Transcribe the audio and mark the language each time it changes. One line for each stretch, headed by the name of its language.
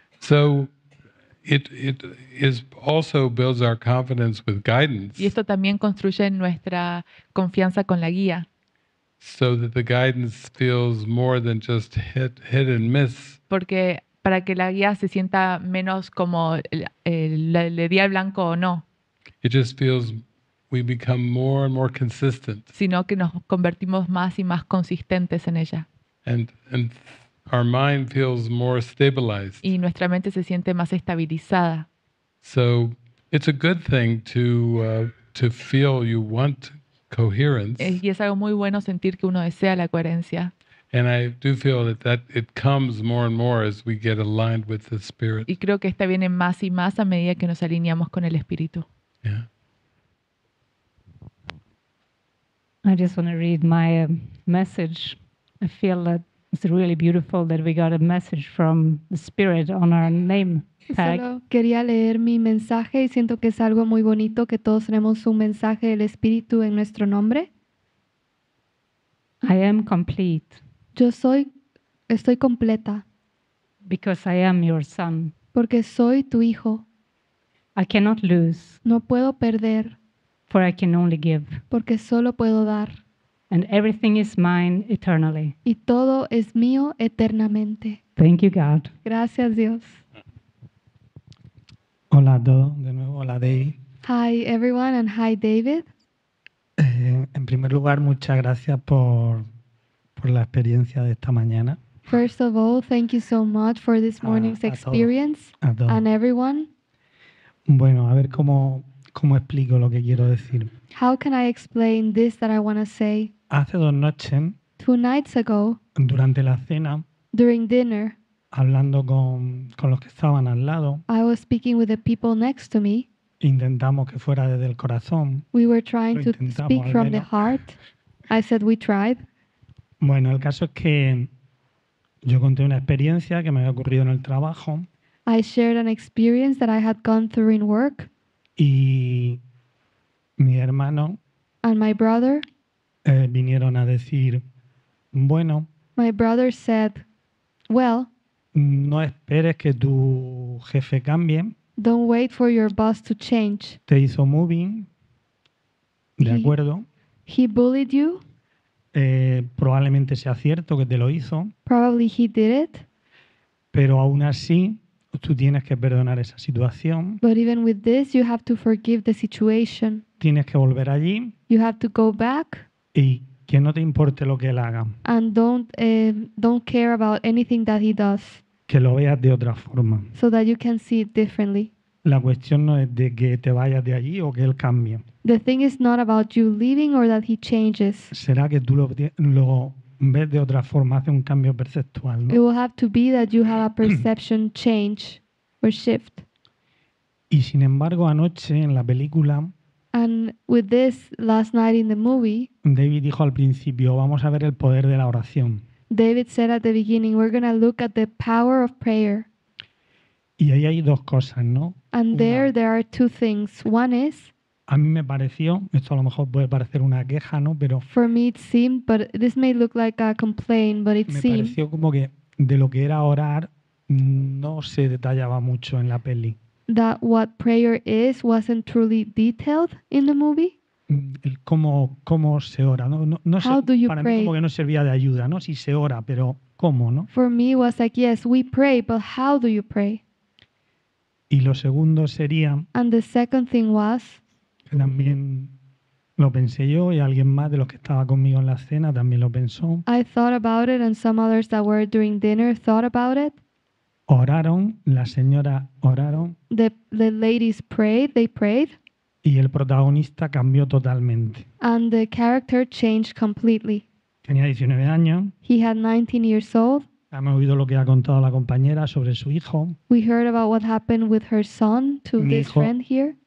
English: So it is also builds our confidence with guidance.
Spanish: Y esto también construye nuestra confianza con la guía.
English: So that the guidance feels more than just hit and miss.
Spanish: Porque para que la guía se sienta menos como le di al blanco o no.
English: It just feels we become more and more consistent.
Spanish: Sino que nos convertimos más y más consistentes en ella.
English: And our mind feels more stabilized.
Spanish: Y nuestra mente se siente más estabilizada.
English: So it's a good thing to feel you want coherence.
Spanish: Y es algo muy bueno sentir que uno desea la coherencia.
English: And I do feel that it comes more and more as we get aligned with the spirit.
Spanish: Y creo que esta viene más y más a medida que nos alineamos con el espíritu.
English: Yeah. I just want to read my message. I feel that it's really beautiful that we got a message from the spirit on our name tag.
Spanish: Solo quería leer mi mensaje y siento que es algo muy bonito que todos tenemos un mensaje del espíritu en nuestro nombre.
English: I am complete.
Spanish: Yo soy estoy completa.
English: Because I am your son.
Spanish: Porque soy tu hijo.
English: I cannot lose.
Spanish: No puedo perder.
English: For I can only give.
Spanish: Porque solo puedo dar.
English: And everything is mine eternally.
Spanish: Y todo es mío eternamente.
English: Thank you, God.
Spanish: Gracias, Dios. Hola, Do. De nuevo, hola, Dave.
English: Hi, everyone, and hi, David.
Spanish: En primer lugar, muchas gracias por la experiencia de esta mañana.
English: First of all, thank you so much for this morning's experience.
Spanish: A todos.
English: And everyone.
Spanish: Bueno, a ver cómo explico lo que quiero decir.
English: How can I explain this that I want to say?
Spanish: Hace dos noches,
English: two nights ago,
Spanish: durante la cena,
English: during dinner,
Spanish: hablando con los que estaban al lado,
English: I was speaking with the people next to me,
Spanish: intentamos que fuera desde el corazón,
English: we were trying to speak from the heart, I said we tried.
Spanish: Bueno, el caso es que yo conté una experiencia que me había ocurrido en el trabajo.
English: I shared an experience that I had gone through in work.
Spanish: Y mi hermano
English: and my brother,
Spanish: vinieron a decir, bueno,
English: my brother said, well,
Spanish: no esperes que tu jefe cambie.
English: Don't wait for your boss to change.
Spanish: Te hizo moving, de acuerdo.
English: He bullied you.
Spanish: Probablemente sea cierto que te lo hizo.
English: Probably he did it.
Spanish: Pero aún así, tú tienes que perdonar esa situación.
English: But even with this, you have to forgive the situation.
Spanish: Tienes que volver allí.
English: You have to go back.
Spanish: Y que no te importe lo que él haga.
English: And don't care about anything that he does.
Spanish: Que lo veas de otra forma.
English: So that you can see it differently.
Spanish: La cuestión no es de que te vayas de allí o que él cambie.
English: The thing is not about you leaving or that he changes.
Spanish: Será que tú lo ves de otra forma, hace un cambio perceptual, ¿no?
English: It will have to be that you have a perception change or shift.
Spanish: Y sin embargo, anoche en la película,
English: and with this, last night in the movie,
Spanish: David dijo al principio, vamos a ver el poder de la oración.
English: David said at the beginning, we're going to look at the power of prayer.
Spanish: Y ahí hay dos cosas, ¿no?
English: And there are two things. One is,
Spanish: a mí me pareció, esto a lo mejor puede parecer una queja, ¿no? Pero
English: for me it seemed, but this may look like a complaint, but it
Spanish: me
English: seemed.
Spanish: Me pareció como que de lo que era orar no se detallaba mucho en la peli.
English: That what prayer is wasn't truly detailed in the movie.
Spanish: el cómo se ora, ¿no?
English: How do you
Spanish: para
English: pray?
Spanish: Mí como que no servía de ayuda, ¿no? Si se ora, pero ¿cómo, no?
English: For me was like, yes, we pray, but how do you pray?
Spanish: Y lo segundo sería...
English: And the second thing was...
Spanish: Que también lo pensé yo y alguien más de los que estaba conmigo en la cena también lo pensó.
English: I thought about it and some others that were during dinner thought about it.
Spanish: Oraron, la señora oraron.
English: The ladies prayed, they prayed.
Spanish: Y el protagonista cambió totalmente.
English: And the character changed completely.
Spanish: Tenía 19 años.
English: He had 19 years old.
Spanish: Hemos oído lo que ha contado la compañera sobre su hijo.
English: We heard about what happened with her son to this friend here.